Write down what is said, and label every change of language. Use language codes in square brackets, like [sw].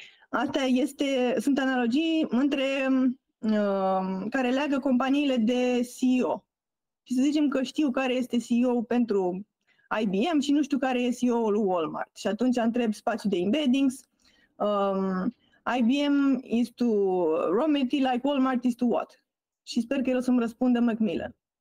[ro] Astea sunt analogii între care leagă companiile de CEO. Și să zicem că știu care este CEO-ul pentru IBM și nu știu care este CEO-ul Walmart. Și atunci întreb spațiul de embeddings. [en] IBM is to raw material like Walmart is to what? [ro] Și sper că el o să-mi răspundă Macmillan.